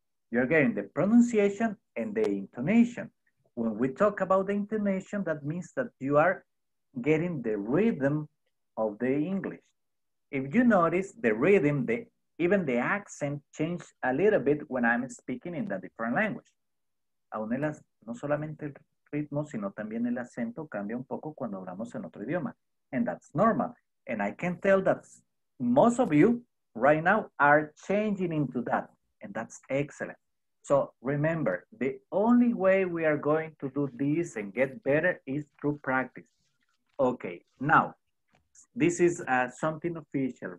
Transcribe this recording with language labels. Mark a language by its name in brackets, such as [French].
[English] You're getting the pronunciation and the intonation. When we talk about the intonation, that means that you are getting the rhythm of the English. If you notice the rhythm, even the accent changed a little bit when I'm speaking in a different language. [Spanish] No solamente el ritmo, sino también el acento cambia un poco cuando hablamos en otro idioma. [English] And that's normal. And I can tell that most of you right now are changing into that. And that's excellent. So remember, the only way we are going to do this and get better is through practice. Okay, now, this is something official.